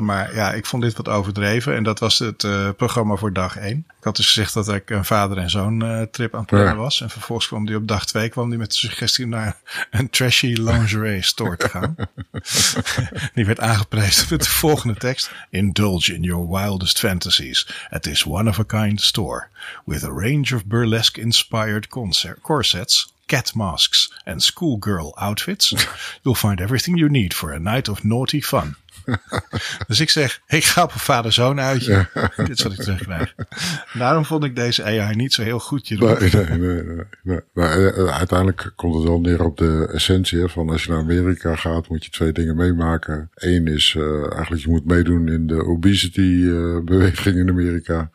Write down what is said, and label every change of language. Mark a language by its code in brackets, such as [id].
[nl] Maar ja, ik vond dit wat overdreven en dat was het programma voor dag 1. Ik had dus gezegd dat ik een vader en zoon trip aan het plannen was. En vervolgens kwam die op dag 2 met de suggestie naar een trashy lingerie store te gaan. Die werd aangeprezen met de volgende tekst. [en] Indulge in your wildest fantasies at this one-of-a-kind store with a range of burlesque-inspired corsets. Cat masks and schoolgirl outfits. You'll find everything you need for a night of naughty fun. [nl] Dus ik zeg, ik ga op een vader-zoon uitje. Ja. Dit is wat ik terugkrijg. Daarom vond ik deze AI niet zo heel goed. Nee. Uiteindelijk komt het wel neer op de essentie. Van als je naar Amerika gaat, moet je 2 dingen meemaken. 1 is eigenlijk, je moet meedoen in de obesity beweging in Amerika.